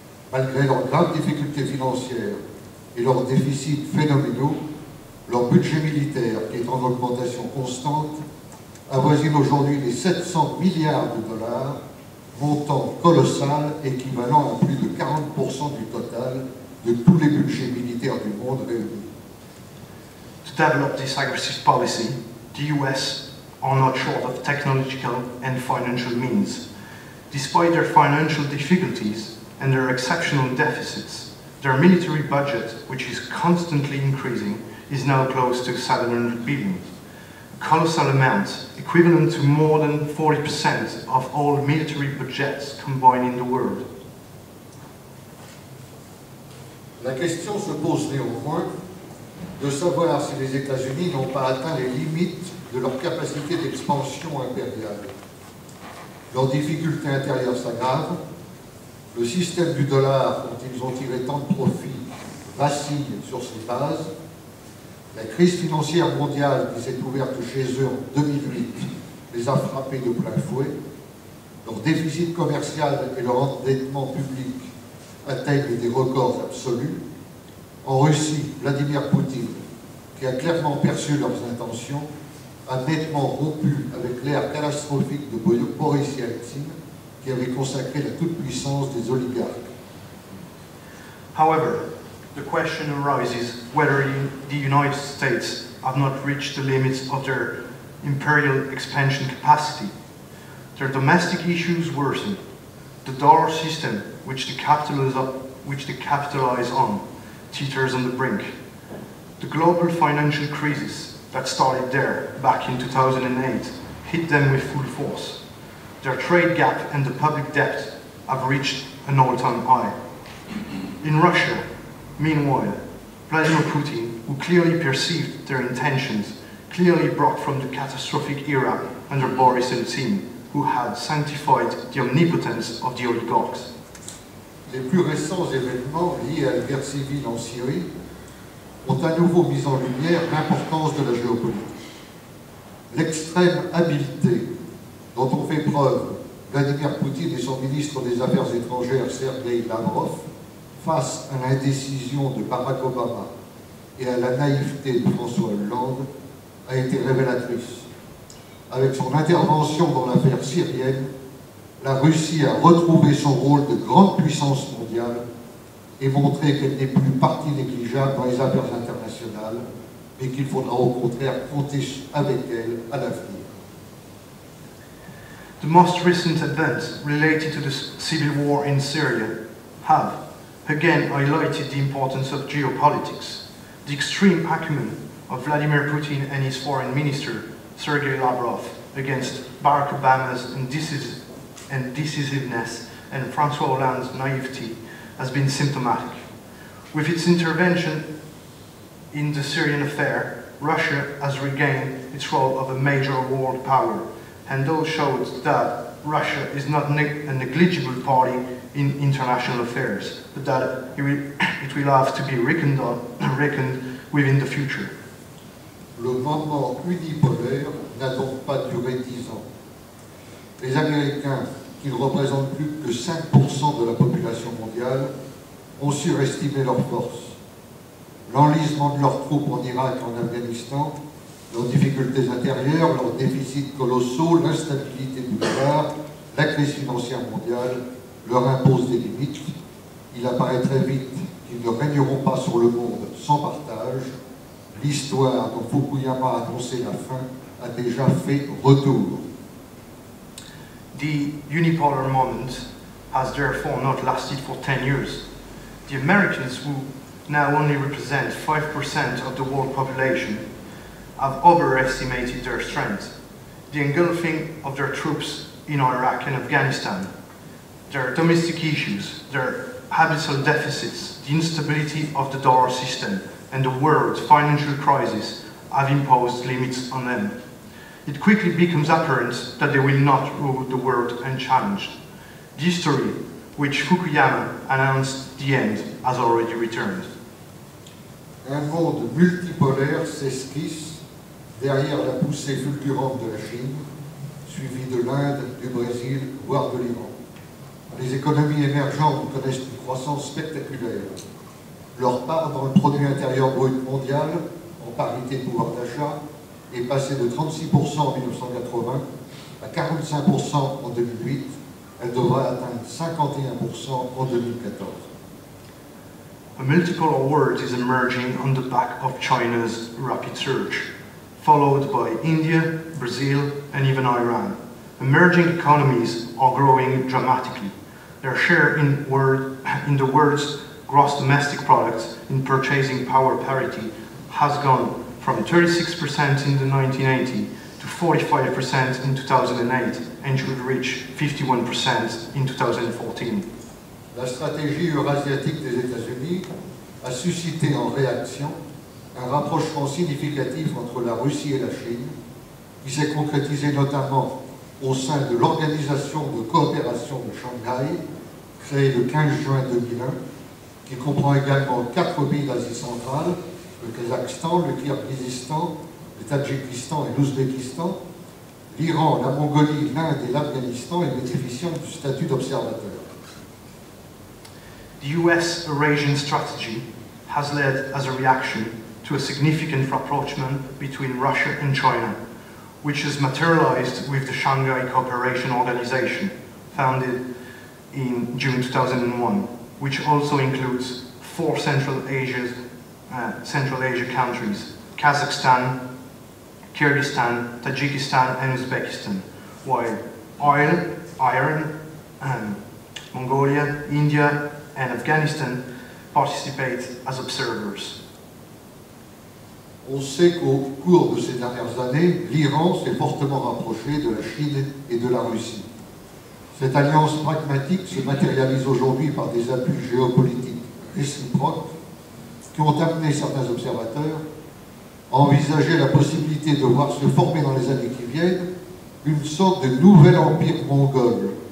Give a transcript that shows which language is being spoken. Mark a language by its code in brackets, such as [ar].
[fr] Malgré leurs grandes difficultés financières et leurs déficits phénoménaux, leur budget militaire, qui est en augmentation constante, avoisine aujourd'hui les 700 milliards de dollars, montant colossal équivalent à plus de 40% du total de tous les budgets militaires du monde réunis. [en] To develop this aggressive policy, the US are not short of technological and financial means. Despite their financial difficulties and their exceptional deficits, their military budget, which is constantly increasing, is now close to 700 billion. A colossal amount, equivalent to more than 40% of all military budgets combined in the world. [fr] La question se pose néanmoins de savoir si les États-Unis n'ont pas atteint les limites de leur capacité d'expansion impériale. Leurs difficultés intérieures s'aggravent. Le système du dollar dont ils ont tiré tant de profits vacille sur ses bases. La crise financière mondiale qui s'est ouverte chez eux en 2008 les a frappés de plein fouet. Leur déficit commercial et leur endettement public atteignent des records absolus. En Russie, Vladimir Poutine, qui a clairement perçu leurs intentions, a nettement rompu avec l'ère catastrophique de Boris Yeltsin, qui avait consacré la toute-puissance des oligarques. [en] However, the question arises whether the United States have not reached the limits of their imperial expansion capacity. Their domestic issues worsen. The dollar system, which they capitalize on, teeters on the brink. The global financial crisis that started there back in 2008 hit them with full force. Their trade gap and the public debt have reached an all-time high. In Russia, meanwhile, Vladimir Putin, who clearly perceived their intentions, clearly brought from the catastrophic era under Boris Yeltsin, who had sanctified the omnipotence of the oligarchs. [fr] Les plus récents événements liés à la guerre civile en Syrie ont à nouveau mis en lumière l'importance de la géopolitique. L'extrême habileté dont ont fait preuve Vladimir Poutine et son ministre des Affaires étrangères Sergei Lavrov face à l'indécision de Barack Obama et à la naïveté de François Hollande a été révélatrice. Avec son intervention dans l'affaire syrienne, la Russie a retrouvé son rôle de grande puissance mondiale et montré qu'elle n'est plus partie négligeable dans les affaires internationales, mais qu'il faudra au contraire compter avec elle à l'avenir. [en] The most recent events related to the civil war in Syria have, again highlighted the importance of geopolitics. The extreme acumen of Vladimir Putin and his foreign minister, Sergei Lavrov, against Barack Obama's indecisiveness and François Hollande's naivety has been symptomatic. With its intervention in the Syrian affair, Russia has regained its role of a major world power, and those showed that Russia is not a negligible party in international affairs, but that it will have to be reckoned within the future. [fr] Le moment unipolaire n'a donc pas duré 10 ans. Les Américains, qui ne représentent plus que 5% de la population mondiale, ont surestimé leurs forces. L'enlisement de leurs troupes en Irak et en Afghanistan, leurs difficultés intérieures, leurs déficits colossaux, l'instabilité du pouvoir, la crise financière mondiale leur imposent des limites. Il apparaît très vite qu'ils ne régneront pas sur le monde sans partage. L'histoire dont Fukuyama a annoncé la fin a déjà fait retour. [en] The unipolar moment has therefore not lasted for 10 years. The Americans, who now only represent 5% of the world population, have overestimated their strength. The engulfing of their troops in Iraq and Afghanistan, their domestic issues, their abyssal deficits, the instability of the dollar system, and the world's financial crisis have imposed limits on them. It quickly becomes apparent that they will not rule the world unchallenged. The history which Fukuyama announced the end has already returned. [fr] Un monde multipolaire s'esquisse derrière la poussée fulgurante de la Chine, suivie de l'Inde, du Brésil, voire de l'Iran. Les économies émergentes connaissent une croissance spectaculaire. Leur part dans le produit intérieur brut mondial, en parité de pouvoir d'achat, est passée de 36% en 1980 à 45% en 2008. Elle devrait atteindre 51% en 2014. [en] A multipolar world is emerging on the back of China's rapid surge, followed by India, Brazil, and even Iran. Emerging economies are growing dramatically. Their share in the world's gross domestic product in purchasing power parity has gone from 36% in the 1980 to 45% in 2008 and should reach 51% in 2014. [fr] La stratégie eurasiatique des États-Unis a suscité en réaction un rapprochement significatif entre la Russie et la Chine, qui s'est concrétisé notamment au sein de l'Organisation de coopération de Shanghai, créée le 15 juin 2001, qui comprend également quatre pays d'Asie centrale, le Kazakhstan, le Kirghizistan, le Tadjikistan et l'Ouzbékistan, l'Iran, la Mongolie, l'Inde et l'Afghanistan, et bénéficiant du statut d'observateur. [en] The US Eurasian strategy has led as a reaction to a significant rapprochement between Russia and China, which has materialized with the Shanghai Cooperation Organization, founded in June 2001, which also includes four Central Asia countries, Kazakhstan, Kyrgyzstan, Tajikistan, and Uzbekistan, while Mongolia, India, and Afghanistan participate as observers. [fr] On sait qu'au cours de ces dernières années, l'Iran s'est fortement rapproché de la Chine et de la Russie. Cette alliance pragmatique se matérialise aujourd'hui par des appuis géopolitiques réciproques qui ont amené certains observateurs à envisager la possibilité de voir se former dans les années qui viennent une sorte de nouvel empire mongol.